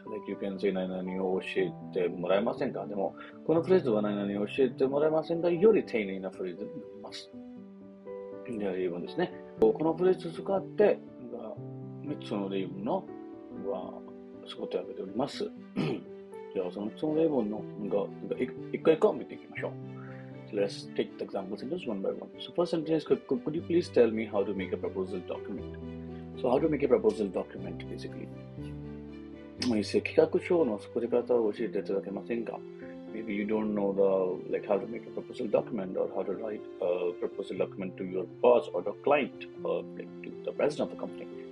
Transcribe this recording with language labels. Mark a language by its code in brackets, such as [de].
[en] Like you can say [ja] 何々を教えてもらえませんか、でもこのフレーズは何々を教えてもらえませんかより丁寧なフレーズになります。例文ですね、このフレーズを使って3つの例文のはすごく挙げております。じゃあその3つの例文の1個見ていきましょう。 [en] So, let's take the example sentence one by one. So first sentence is, could you please tell me how to make a proposal document? So how to make a proposal document basically? [ja] 企画書の作り方を教えていただけませんか。 [en] Maybe you don't know the like how to make a proposal document or how to write a proposal document to your boss or the client or like to the president of the company.